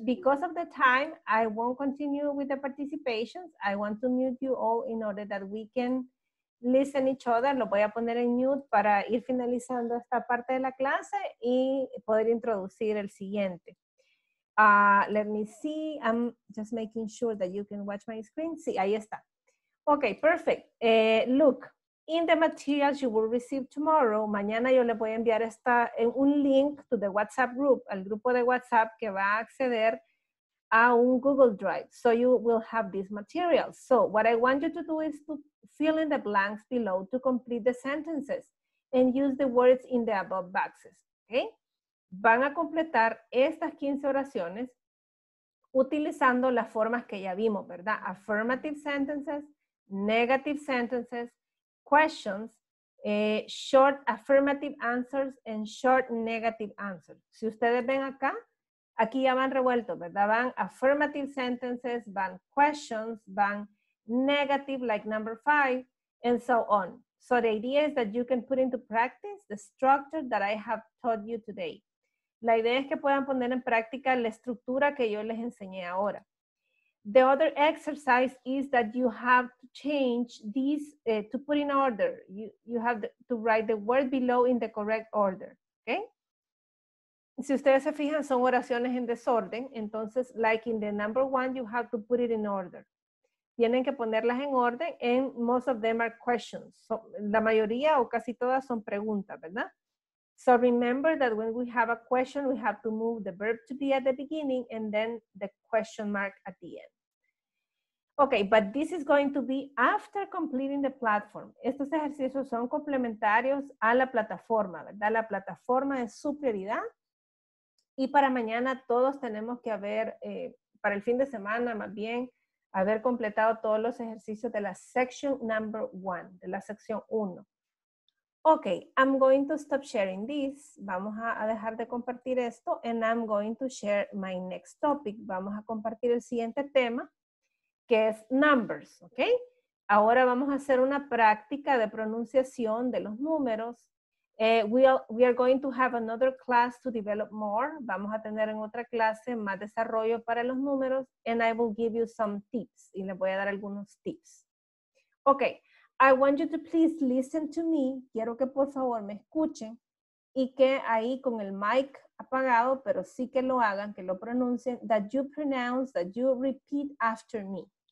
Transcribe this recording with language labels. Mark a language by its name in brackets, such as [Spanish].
[English] Because of the time, I won't continue with the participations. I want to mute you all in order that we can listen each other. [Spanish] Lo voy a poner en mute para ir finalizando esta parte de la clase y poder introducir el siguiente. [English] Let me see. I'm just making sure that you can watch my screen. [Spanish] Sí, ahí está. [English] Okay, perfect. Look, in the materials you will receive tomorrow, [Spanish] mañana yo le voy a enviar un link [English] to the WhatsApp group, [Spanish] al grupo de WhatsApp que va a acceder a un Google Drive. [English] So you will have these materials. So what I want you to do is to fill in the blanks below to complete the sentences and use the words in the above boxes. Okay? [Spanish] Van a completar estas 15 oraciones utilizando las formas que ya vimos, ¿verdad? [English] Affirmative sentences, negative sentences, questions, short affirmative answers, and short negative answers. [Spanish] Si ustedes ven acá, aquí ya van revueltos, ¿verdad? Van affirmative sentences, van questions, van negative, [English] like number 5, and so on. So the idea is that you can put into practice the structure that I have taught you today. [Spanish] La idea es que puedan poner en práctica la estructura que yo les enseñé ahora. [English] The other exercise is that you have to change these, to put in order. You have to write the word below in the correct order, okay? [Spanish] Si ustedes se fijan, son oraciones en desorden. Entonces, [English] like in the number one, you have to put it in order. [Spanish] Tienen que ponerlas en orden, [English] and most of them are questions. [Spanish] So, la mayoría o casi todas son preguntas, ¿verdad? [English] So remember that when we have a question, we have to move the verb to be at the beginning and then the question mark at the end. Okay, but this is going to be after completing the platform. [Spanish] Estos ejercicios son complementarios a la plataforma, ¿verdad? La plataforma es su prioridad. Y para mañana todos tenemos que haber, para el fin de semana más bien, haber completado todos los ejercicios de la section number one, de la sección 1. [English] Ok, I'm going to stop sharing this. [Spanish] Vamos a dejar de compartir esto. [English] And I'm going to share my next topic. [Spanish] Vamos a compartir el siguiente tema, que es numbers. Ok, ahora vamos a hacer una práctica de pronunciación de los números. [English] We are going to have another class to develop more. [Spanish] Vamos a tener en otra clase más desarrollo para los números. [English] And I will give you some tips. [Spanish] Y les voy a dar algunos tips. [English] Ok. I want you to please listen to me. [Spanish] Quiero que por favor me escuchen y que ahí con el mic apagado, pero sí que lo hagan, que lo pronuncien. [English] That you pronounce, that you repeat after me.